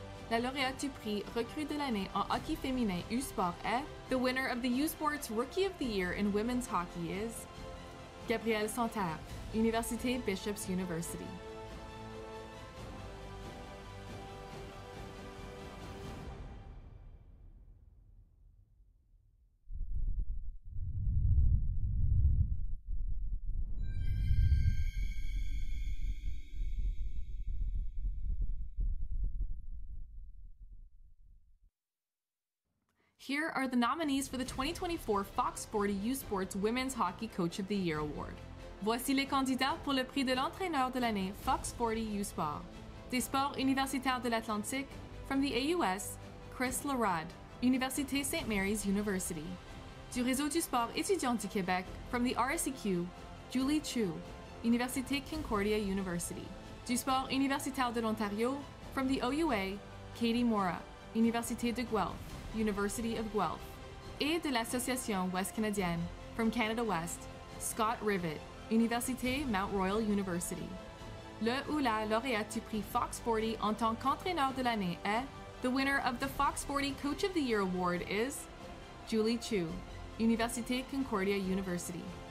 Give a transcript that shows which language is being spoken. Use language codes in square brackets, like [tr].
[fr] La lauréate du prix Recrue de l'année en hockey féminin U Sport est. [en] The winner of the U Sports Rookie of the Year in Women's Hockey is. [fr] Gabrielle Santerre, Université Bishops University. [en] Here are the nominees for the 2024 Fox 40 U Sports Women's Hockey Coach of the Year Award. [fr] Voici les candidats pour le prix de l'entraîneur de l'année Fox 40 U Sport. Des Sports Universitaires de l'Atlantique, [en] from the AUS, [fr] Chris Larod, Université St. Mary's University. Du Réseau du Sport étudiant du Québec, [en] from the RSEQ, [fr] Julie Chu, Université Concordia University. Du Sport Universitaire de l'Ontario, [en] from the OUA, [fr] Katie Mora, Université de Guelph, [en] University of Guelph, [fr] et de l'Association Ouest Canadienne, [en] from Canada West, [fr] Scott Rivett, Université Mount Royal University. Le ou la lauréate du prix Fox 40 en tant qu'entraîneur de l'année est. [en] The winner of the Fox 40 Coach of the Year Award is Julie Chu, Université Concordia University.